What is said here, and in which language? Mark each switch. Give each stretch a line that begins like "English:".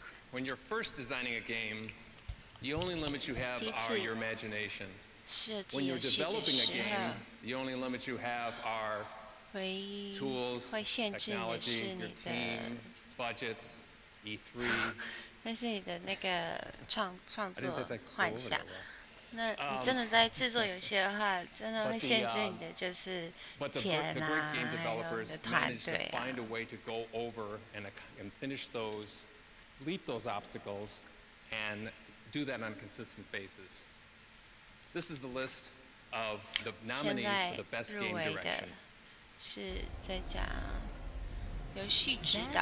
English: When you're first designing a game, the only limits you have are your imagination. When you're developing a game, the only limits you have are tools, technology, your team, budgets, E3.
Chinese: 那是你的那个创作幻想。那你真的在制作游戏的话，真的会限制你的就是钱啊，还有你的团队啊。
English: Find a way to go over and finish those, leap those obstacles, and do that on a consistent basis. This is the list of the nominees for the best game direction.
Chinese: 是在讲游戏指导。